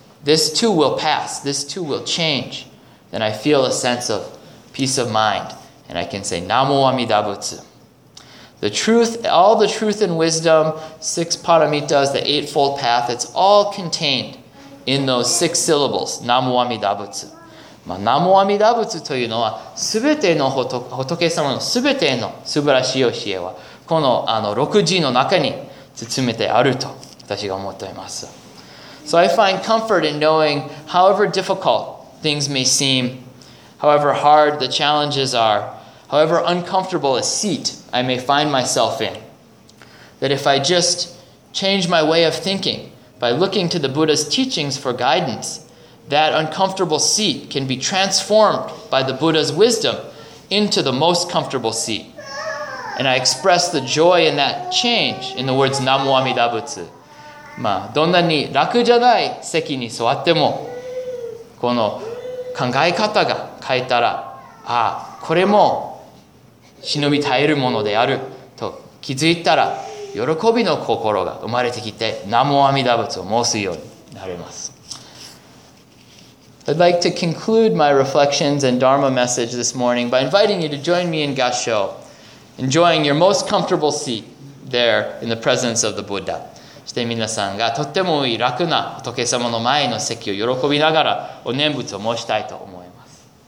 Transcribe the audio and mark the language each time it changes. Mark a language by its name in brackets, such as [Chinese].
[English] This too will pass. This too will change. Then I feel a sense of peace of mind. And I can say, Namo Amida Butsu. The truth, all the truth and wisdom, six paramitas, the eightfold path, it's all contained in those six syllables, Namo Amida Butsu. [Japanese] まあ、南無阿弥陀仏というのは、すべての仏様のすべての素晴らしい教えは、この、あの、六字の中に包めてあると、私が思っています。 [English] So I find comfort in knowing, however difficult things may seem, however hard the challenges are, however uncomfortable a seat I may find myself in, that if I just change my way of thinking by looking to the Buddha's teachings for guidance,That uncomfortable seat can be transformed by the Buddha's wisdom into the most comfortable seat. And I express the joy in that change in the words Namo Amida Butsu. [Japanese] まあ、どんなに楽じゃない席に座っても、この考え方が変えたら、ああ、これも忍び耐えるものであると気づいたら、喜びの心が生まれてきて、Namo Amida Butsu を申すようになります。 [English] I'd like to conclude my reflections and Dharma message this morning by inviting you to join me in Gassho, enjoying your most comfortable seat there in the presence of the Buddha. [Japanese] そして皆さんがとってもいい楽な仏様の前の席を喜びながらお念仏を申したいと思います。